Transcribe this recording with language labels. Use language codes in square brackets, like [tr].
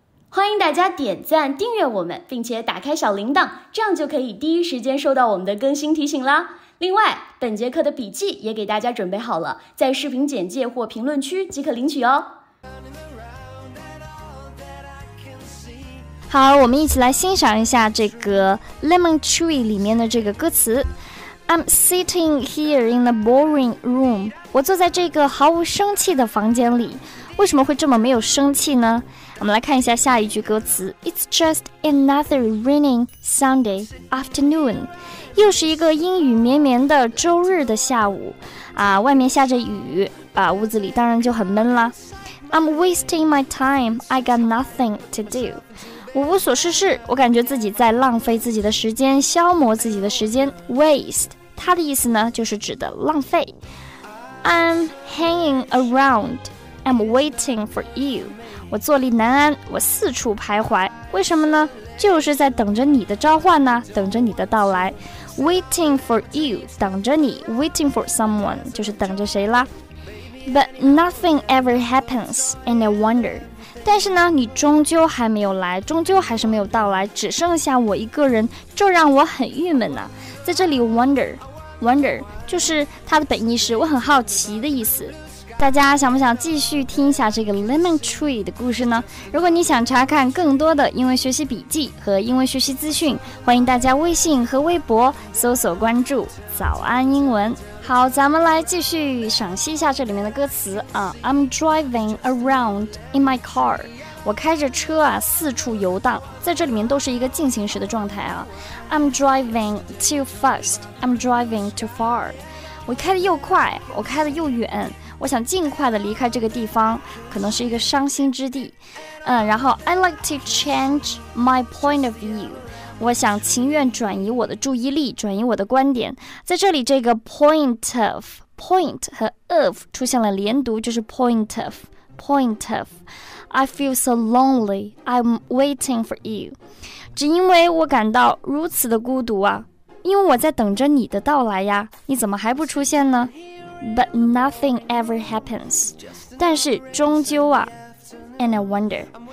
[zh] 欢迎大家点赞订阅我们，并且打开小铃铛，这样就可以第一时间收到我们的更新提醒啦。另外，本节课的笔记也给大家准备好了，在视频简介或评论区即可领取哦。好，我们一起来欣赏一下这个 Lemon Tree 里面的这个歌词。 [en] I'm sitting here in a boring room. [zh] 我坐在这个毫无生气的房间里。为什么会这么没有生气呢？我们来看一下下一句歌词。 [en] It's just another raining Sunday afternoon. [zh] 又是一个阴雨绵绵的周日的下午啊，外面下着雨啊，屋子里当然就很闷啦。 [en] I'm wasting my time, I got nothing to do. [zh] 我无所事事，我感觉自己在浪费自己的时间，消磨自己的时间。 Waste 它的意思呢就是指的浪费。 [en] I'm hanging around, I'm waiting for you. [zh] 我坐立难安，我四处徘徊。为什么呢？就是在等着你的召唤呢，等着你的到来。 [en] Waiting for you, [zh] 等着你。 [en] Waiting for someone, [zh] 就是等着谁啦。 [en] But nothing ever happens, and I wonder. [zh] 但是呢，你终究还没有来，终究还是没有到来，只剩下我一个人，这让我很郁闷呢。在这里 wonder 就是它的本意是我很好奇的意思。大家想不想继续听一下这个 Lemon Tree 的故事呢？如果你想查看更多的英文学习笔记和英文学习资讯，欢迎大家微信和微博搜索关注早安英文。好，咱们来继续赏析一下这里面的歌词啊。 [en] I'm driving around in my car. [zh] 我开着车啊四处游荡，在这里面都是一个进行时的状态啊。 [en] I'm driving too fast, I'm driving too far. [zh] 我开得又快，我开得又远，我想尽快地离开这个地方，可能是一个伤心之地。 [en] 然后 I like to change my point of view. [zh] 我想情愿转移我的注意力，转移我的观点。在这里这个 point 和 of 出现了连读，就是 point of. [en] I feel so lonely, I'm waiting for you. [zh] 只因为我感到如此的孤独啊，因为我在等着你的到来呀，你怎么还不出现呢？ [en] But nothing ever happens. [zh] 但是终究啊 [en] And I wonder.